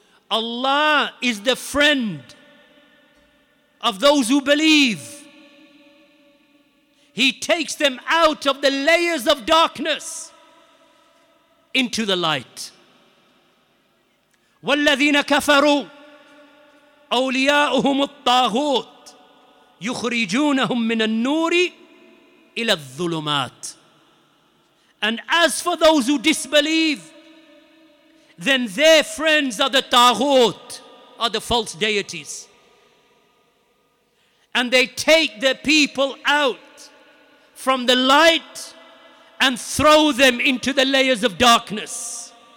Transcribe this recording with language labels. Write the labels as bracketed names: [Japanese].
[English] Allah is the friend of those who believe. He takes them out of the layers of darkness into the light. [Arabic] وَالَّذِينَ كَفَرُوا, أولياؤهم الطاغوت يخرجونهم من النور إلى الظلمات. [English] And as for those who disbelieve, then their friends are the taghut, are the false deities. And they take their people out from the light and throw them into the layers of darkness.